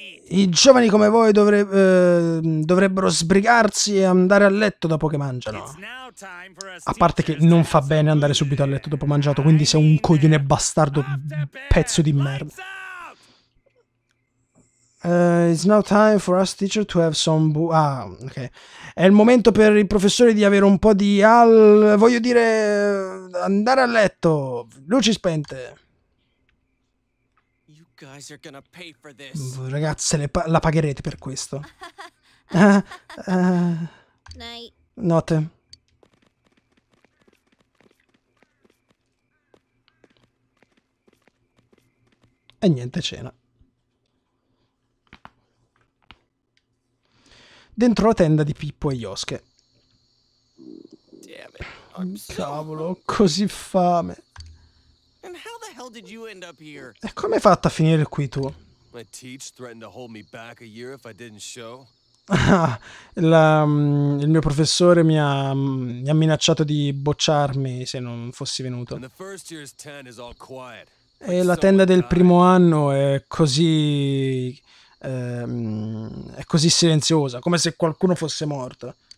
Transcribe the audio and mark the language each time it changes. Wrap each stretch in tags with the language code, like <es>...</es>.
<it>I giovani come voi dovrebbero sbrigarsi e andare a letto dopo che mangiano. A parte che non fa bene andare subito a letto dopo mangiato, quindi sei un coglione bastardo, pezzo di merda.</it> <en>It's now time for us teacher to have some ok.</en> <it>È il momento per il professore di avere un po' di voglio dire, andare a letto. Luci spente.</it> <en>You guys are gonna pay for this.</en> <it>Ragazze, la pagherete per questo.</it> <en>Night.</en> <it>Notte. E niente, cena. Dentro la tenda di Pippo e Yosuke. Cavolo, così fame.</it> <en>And how the hell did you end up here?</en> <it>E come hai fatto a finire qui tu?</it> <en>My teach threatened to hold me back a year if I didn't show.</en> <it>Il mio professore mi ha minacciato di bocciarmi se non fossi venuto.</it> <en>And the first year's tent is all quiet.</en> <it>E la tenda del primo anno è così... è così silenziosa, come se qualcuno fosse morto.</it>